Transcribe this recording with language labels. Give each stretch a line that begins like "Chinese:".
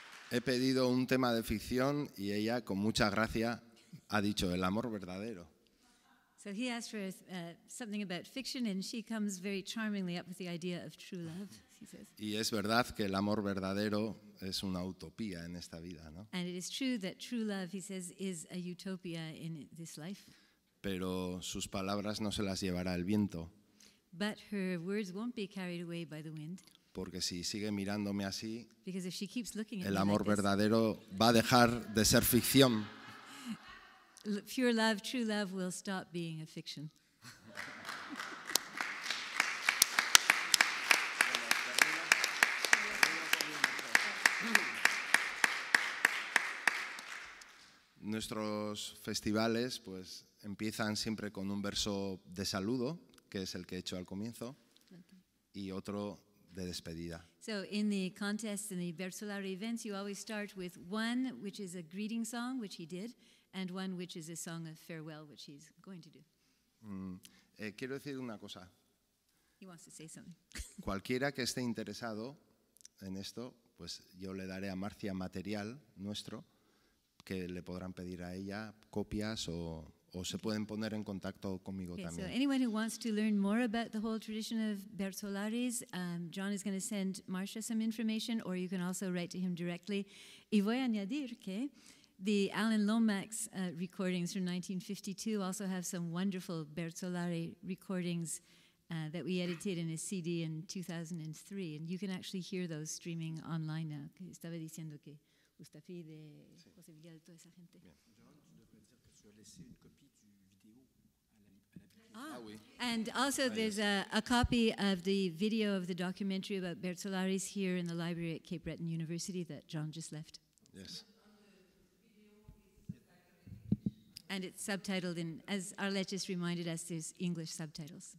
Spanish: He pedido un tema de ficción y ella, con mucha gracia, ha dicho el amor verdadero.
English: So he asked for something about fiction, and she comes very charmingly up with the idea of true love, she says.
Spanish: Y es verdad que el amor verdadero es una utopía en esta vida, ¿no?
English: And it is true that true love, he says, is a utopia in this life.
Spanish: Pero sus palabras no se las llevará el viento.
English: But her words won't be carried away by the wind.
Spanish: Porque si sigue mirándome así,
English: because if she keeps looking at
Spanish: el amor
English: like
Spanish: verdadero
English: this,
Spanish: va a dejar de ser ficción.
English: Pure love, true love will stop being a fiction.
Spanish: Nuestros festivales pues empiezan siempre con un verso de saludo, que es el que he hecho al comienzo, okay, y otro de despedida.
English: So in the contests and the versular events, you always start with one which is a greeting song, which he did, and one which is a song of farewell, which he's going to do.
Spanish: Quiero decir una cosa.
English: He wants to say something.
Spanish: Cualquiera que esté interesado en esto, pues yo le daré a Marcia material nuestro, que le podrán pedir a ella copias o se pueden poner en contacto conmigo,
English: okay,
Spanish: también.
English: So anyone who wants to learn more about the whole tradition of Bersolaris, John is going to send Marcia some information, or you can also write to him directly.
Spanish: Y voy a añadir que
English: the Alan Lomax recordings from 1952 also have some wonderful Bersolari recordings that we edited in a CD in 2003, and you can actually hear those streaming online now.
Spanish: Estaba diciendo que Gustafi de José Miguel, toda esa gente. Ah,
English: and also there's a copy of the video of the documentary about Bersolaris here in the library at Cape Breton University that John just left. Yes. And it's subtitled in, as Arlette just reminded us, there's English subtitles.